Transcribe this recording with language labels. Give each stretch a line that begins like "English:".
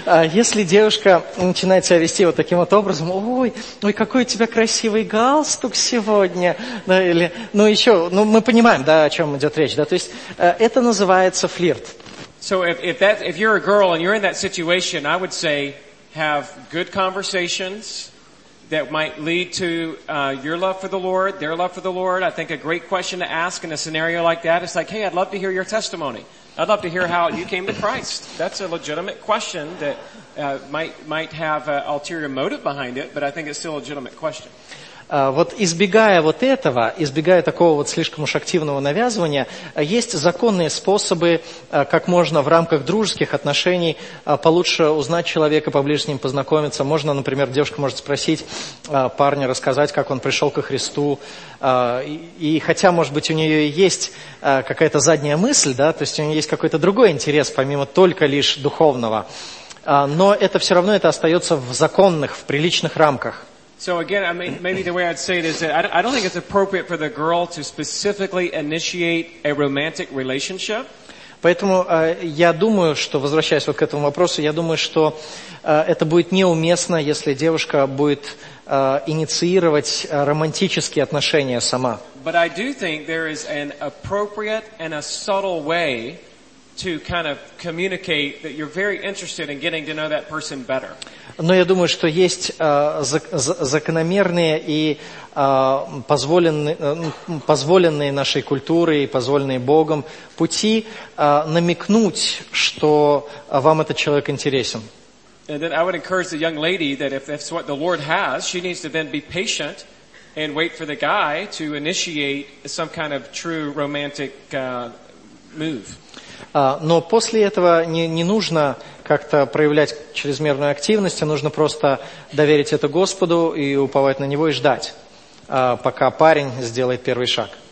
Russian: Если девушка начинает себя вести вот таким вот образом, ой, какой у тебя красивый галстук сегодня, мы понимаем, да, о чем идет речь, да, то есть это называется флирт.
English: So if you're a girl and you're in that situation, I would say have good conversations that might lead to your love for the Lord, their love for the Lord. I think a great question to ask in a scenario like that is like, hey, I'd love to hear your testimony. I'd love to hear how you came to Christ. That's a legitimate question that might have an ulterior motive behind it, but I think it's still a legitimate question.
Russian: Вот избегая вот этого, избегая такого вот слишком уж активного навязывания, есть законные способы, как можно в рамках дружеских отношений получше узнать человека, поближе с ним познакомиться. Можно, например, девушка может спросить парня, рассказать, как он пришел ко Христу. И хотя, может быть, у нее есть какая-то задняя мысль, да, то есть у нее есть какой-то другой интерес, помимо только лишь духовного. Но это все равно это остается в законных, в приличных рамках.
English: So again, I mean, maybe the way I'd say it is that I don't think it's appropriate for the girl to specifically initiate a romantic relationship.
Russian: Поэтому я думаю, что, возвращаясь вот к этому вопросу, я думаю, что это будет неуместно, если девушка будет инициировать романтические отношения сама.
English: But I do think there is an appropriate and a subtle way to kind of communicate that you're very interested in getting to know that person better.
Russian: Но я думаю, что есть закономерные и позволенные нашей культурой, позволенные Богом пути намекнуть, что вам этот человек интересен.
English: And then I would encourage the young lady that if that's what the Lord has, she needs to then be patient and wait for the guy to initiate some kind of true romantic move.
Russian: Но после этого не нужно как-то проявлять чрезмерную активность, а нужно просто доверить это Господу и уповать на Него и ждать, пока парень сделает первый шаг.